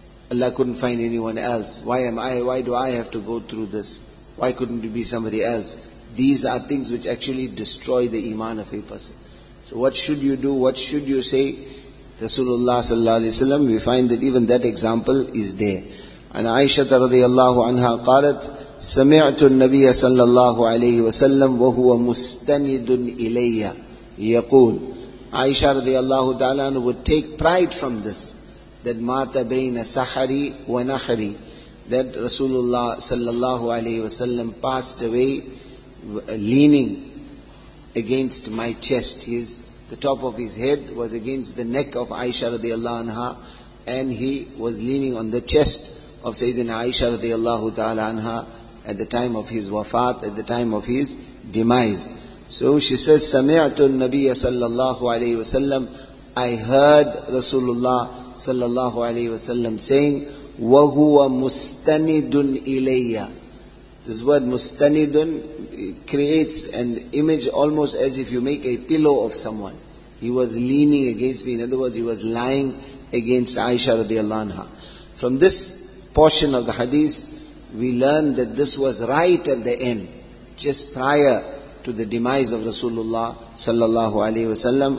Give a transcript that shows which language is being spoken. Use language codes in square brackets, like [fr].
[en] Allah couldn't find anyone else. Why do I have to go through this? Why couldn't it be somebody else? These are things which actually destroy the iman of a person. So what should you do? What should you say? Rasulullah sallallahu alaihi wasallam, we find that even that example is there. And Aisha radiallahu anha qalat, [ar] سَمِعْتُ النَّبِيَّ صَلَّى اللَّهُ عَلَيْهِ وَسَلَّمْ وَهُوَ مُسْتَنِدٌ إِلَيَّ يَقُولُ. [en] Aisha radiallahu ta'ala would take pride from this, that [ar] مَاتَ بَيْنَ سَحَرِي وَنَحْرِي, [en] that Rasulullah sallallahu alayhi wa sallam passed away leaning against my chest. The top of his head was against the neck of Aisha radiallahu anha, and he was leaning on the chest of Sayyidina Aisha radiallahu ta'ala anha at the time of his wafat, at the time of his demise. So she says, [ar] سَمِعْتُ النَّبِيَّ صَلَّى اللَّهُ عَلَيْهِ وَسَلَّمْ, [en] I heard Rasulullah [ar] صَلَّى اللَّهُ عَلَيْهِ وَسَلَّمْ [en] saying, [ar] وَهُوَ مُسْتَنِدٌ إِلَيَّ. [en] This word مُسْتَنِدٌ creates an image almost as if you make a pillow of someone. He was leaning against me, in other words, he was lying against Aisha radiallahu anha. From this portion of the hadith, we learn that this was right at the end, just prior to the demise of Rasulullah sallallahu alaihi wasallam.